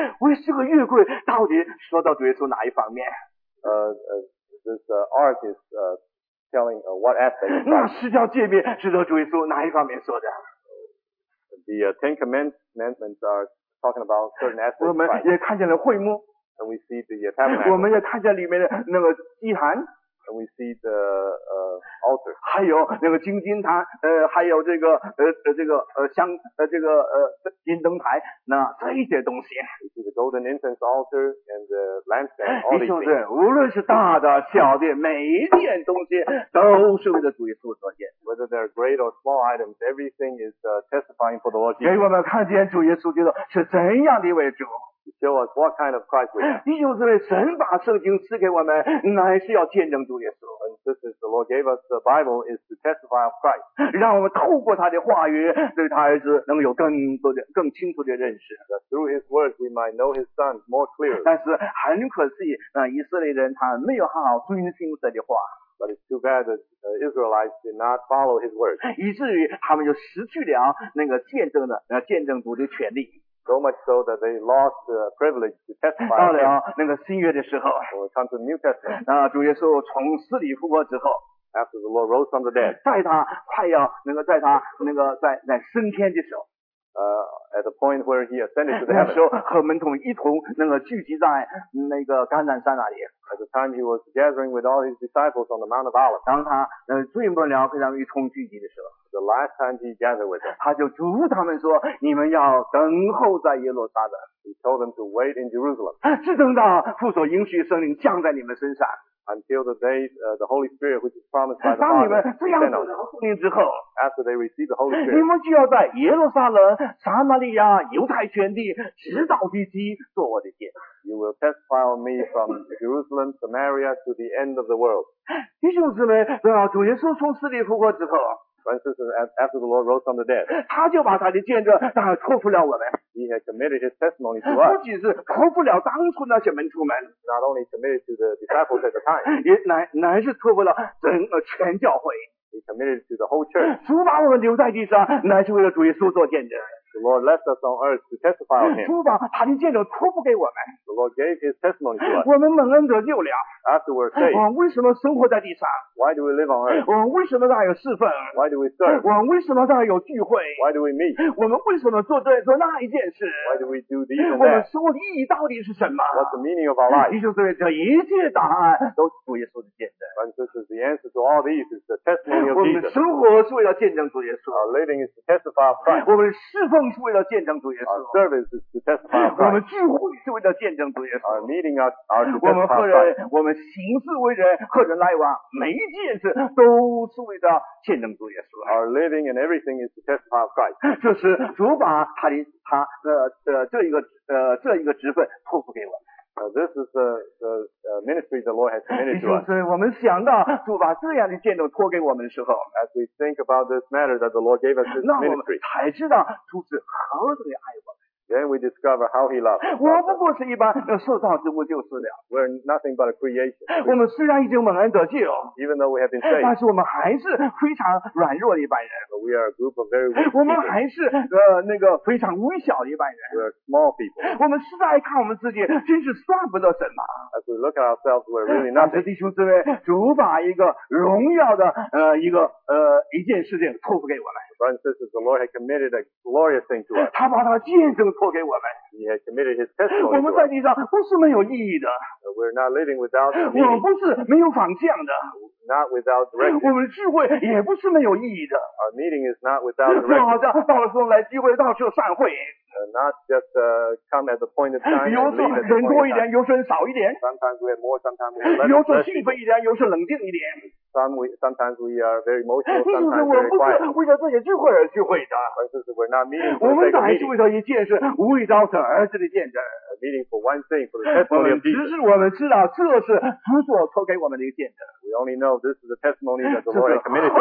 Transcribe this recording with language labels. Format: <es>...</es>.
<zh>为这个月柜到底说到主耶稣哪一方面？</zh> <en>This ark is telling what aspect?</en> <zh>那十条诫命是说主耶稣哪一方面说的</zh> <en>？The Ten Commandments are talking about certain aspects.</en> <zh>我们也看见了会幕。</zh> <en>And we see the tabernacle.</en> <zh>我们也看见里面的那个祭坛。</zh> <en>And we see the altar.</en> <zh>还有那个金金坛，还有金灯台，那这些东西。</zh> <en>We see the golden incense altar and the lampstand.</en> <zh>弟兄们，无论是大的小的，每一件东西都是为了主耶稣所见。</zh> <en>Whether they're great or small items, everything is testifying for the Lord Jesus.</en> <zh>给我们看见主耶稣基督是怎样的一位主。</zh> <en>Show us what kind of Christ we are.</en> <zh>弟兄姊妹，神把圣经赐给我们，乃是要见证主耶稣。</zh> <en>And this is the Lord gave us the Bible is to testify of Christ.</en> <zh>让我们透过他的话语，对他儿子能有更多的、更清楚的认识。</zh> <en>That through his words we might know his son more clearly.</en> <zh>但是很可惜，以色列人他没有好好遵循神的话。</zh> <en>But it's too bad that Israelites did not follow his words.</en> <zh>以至于他们就失去了那个见证的、见证主的权利。</zh> <en>So much so that they lost the privilege to testify.</en> <zh>到了那个新约的时候，我看到 New Testament. 那主耶稣从死里复活之后</zh> <en>，After the Lord rose from the dead.</en> <zh>在他快要那个在他那个在升天的时候</zh> <en>at the point where he ascended to the heaven.</en> <zh>那时候和门徒一同那个聚集在那个橄榄山那里。</zh> <en>At the time he was gathering with all his disciples on the Mount of Olives.</en> <zh>当他最末了跟他们一同聚集的时候。</zh> <en>The last time he gathered with them.</en> <zh>他就嘱咐他们说你们要等候在耶路撒冷。</zh> <en>He told them to wait in Jerusalem.</en> <zh>只等到父所应许圣灵降在你们身上。</zh> <en>Until the day, the Holy Spirit, which is promised by the Father,</en> <zh>当你们这样子的圣灵之后</zh> <en>after they receive the Holy Spirit,</en> <zh>你们就要在耶路撒冷、撒玛利亚、犹太全地，直到地极，做我的见证。</zh> <en>You will testify on me from Jerusalem, Samaria, to the end of the world.</en> <zh>弟兄姊妹，等到主耶稣从死里复活之后</zh> <en>for instance, after the Lord rose from the dead,</en> <zh>他就把他的见证当然托付了我们。</zh> <en>He had committed his testimony to us.</en> <zh>不仅是托付了当初那些门徒们</zh> <en>not only committed to the disciples at the time,</en> <zh>也乃是托付了整个全教会。</zh> <en>He committed to the whole church.</en> <zh>主把我们留在地上，乃是为了主耶稣做见证。</zh> <en>The Lord left us on earth to testify of him.</en> <zh>主把他的见证托付给我们。</zh> <en>The Lord gave his testimony to us.</en> <zh>我们蒙恩得救了。</zh> <en>After we're saved.</en> <zh>我们为什么生活在地上？</zh> <en>Why do we live on earth?</en> <zh>我们为什么在这有侍奉？</zh> <en>Why do we serve?</en> <zh>我们为什么在这有聚会？</zh> <en>Why do we meet?</en> <zh>我们为什么做那一件事？</zh> <en>Why do we do this and that?</en> <zh>我们生活的意义到底是什么？</zh> <en>What's the meaning of our life?</en> <zh>弟兄姊妹，这一切答案都是主耶稣的见证。</zh> <en>And this is the answer to all these, is the testimony of Jesus.</en> <zh>我们生活是为了见证主耶稣。</zh> <en>Our living is to testify of Christ.</en> <zh>我们侍奉是为了见证主耶稣。</zh> <en>Our service is to testify of Christ.</en> <zh>我们聚会是为了见证主耶稣。</zh> <en>Our meeting are to testify of Christ.</en> <zh>我们行事为人，或者来往，每一件事都是为了见证主耶稣。</zh> <en>Our living and everything is to testify of Christ.</en> <zh>就是主把这一个职分托付给我。</zh> <en>This is the ministry the Lord has committed to us.</en> <zh>我们想到主把这样的见证托给我们的时候</zh> <en>，As we think about this matter that the Lord gave us this ministry,</en> <zh>那我们才知道主是何等的爱我们。</zh> <en>Then we discover how he loves.</en> <zh>我不过是一般受造之物就是了。</zh> <en>We're nothing but a creation.</en> <zh>我们虽然已经蒙恩得救</zh> <en>，Even though we have been saved,</en> <zh>但是我们还是非常软弱的一般人。</zh> <en>But we are a group of very weak people.</en> <zh>我们还是那个非常微小的一般人。</zh> <en>We're small people.</en> <zh>我们实在看我们自己，真是算不得什么。</zh> <en>As we look at ourselves, we're really nothing.</en> <zh>弟兄姊妹，主把一个荣耀的一件事情托付给我们。</zh> <en>Brothers and sisters, the Lord had committed a glorious thing to us.</en> <zh>他把他见证托给我们。</zh> <en>He had committed his testimony.</en> <zh>我们在地上不是没有意义的。</zh> <en>We're not living without.</en> <zh>我们不是没有方向的。</zh> <en>Not without direction.</en> <zh>我们的聚会也不是没有意义的。</zh> <en>Our meeting is not without direction.</en> <zh>就好像到了时候来聚会，到时候散会。</zh> <en>Not just come at the point of time.</en> <zh>有时候人多一点，有时候人少一点。</zh> <en>Sometimes we have more, sometimes we have less.</en> <zh>有时候兴奋一点，有时候冷静一点。</zh> <en>Sometimes we are very emotional, sometimes very quiet.</en> <zh>我们不是为了这些聚会而聚会的。</zh> <en>For instance, we're not meeting.</en> <zh>我们乃是为了一件事，为着神儿子的见证。</zh> <en>A meeting for one thing, for the testimony of Jesus.</en> <zh>只是我们知道这是主所托给我们的一个见证。</zh> <en>We only know this is the testimony that the Lord has committed to us.</en>